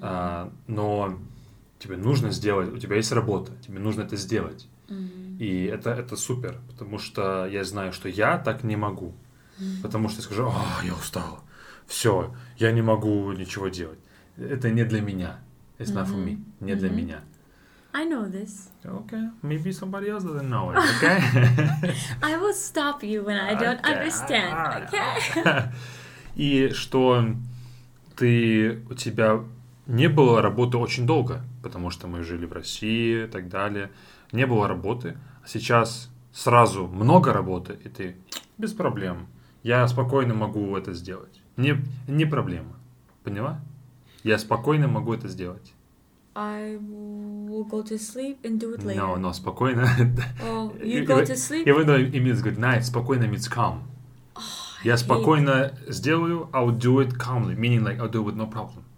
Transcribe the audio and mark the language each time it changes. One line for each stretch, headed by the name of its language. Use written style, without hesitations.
Russian: А, но тебе нужно сделать, у тебя есть работа, тебе нужно это сделать. Mm-hmm. И это супер, потому что я знаю, что я так не могу. Mm-hmm. Потому что я скажу, а, я устал, все, я не могу ничего делать. Это не для меня.
English: It's not for me.
Russian: Не mm-hmm. для меня.
English: I know this. Okay, maybe somebody else doesn't know it, okay? I will stop you when I don't understand, okay?
Russian: И что ты, у тебя не было работы очень долго, потому что мы жили в России и так далее, не было работы, а сейчас сразу много работы, и ты без проблем, я спокойно могу это сделать. Не проблема, поняла? Я спокойно могу это сделать.
English: I will go to sleep and do it later.
Russian: No, спокойно.
English: Well, you go to sleep. Even though it means good night, спокойно means calm. Oh,
Russian: я спокойно сделаю,
English: I'll do it calmly. Meaning like, I'll do it with no problem.